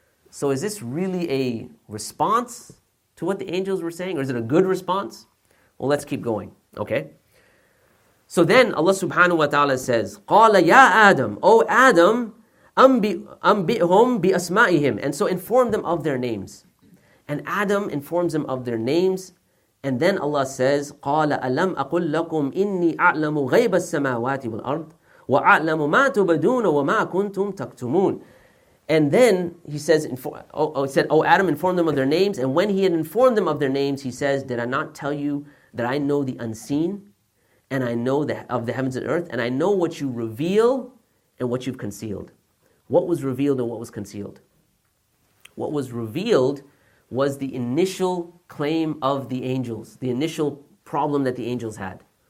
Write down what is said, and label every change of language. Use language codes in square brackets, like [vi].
[en] So is this really a response to what the angels were saying? Or is it a good response? Well, let's keep going. Okay? So then Allah subhanahu wa ta'ala says, [ar] قَالَ يَا آدَمْ [en] O Adam, [ar] أَنْبِئْهُمْ بِأَسْمَائِهِمْ. [en] And so inform them of their names. And Adam informs them of their names. And then Allah says, [ar] قَالَ أَلَمْ أَقُلْ لَكُمْ إِنِّي أَعْلَمُ غَيْبَ السَّمَاوَاتِ وَالْأَرْضِ وَأَعْلَمُ مَا تُبَدُونَ وَمَا كُنْتُمْ تَكْتُمُونَ. [en] And then he says, Adam, inform them of their names. And when he had informed them of their names, he says, did I not tell you that I know the unseen, and I know of the heavens and earth, and I know what you reveal and what you've concealed. What was revealed and what was concealed? What was revealed was the initial claim of the angels, the initial problem that the angels had.